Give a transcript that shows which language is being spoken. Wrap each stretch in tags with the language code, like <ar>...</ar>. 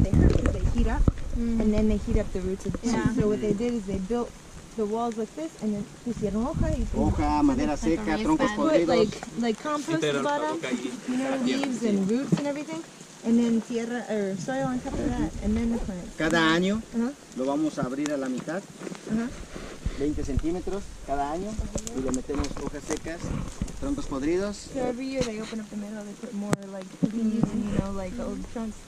<en>They hurt because they heat up, and then they heat up the roots of the tree. So what they did is they built the walls like this, and then</en> <es>pusieron hoja y hoja, madera seca, troncos podridos.</es> <en>Put like compost at the bottom, you know, leaves and roots and everything, and then tierra or soil on top of that, and then the plant.</en> <es>Cada año lo vamos a abrir a la mitad, 20 centímetros cada año, y le metemos hojas secas.</es> <en>So every year they open up the middle, they put more like leaves and, you know, like old trunks.</en>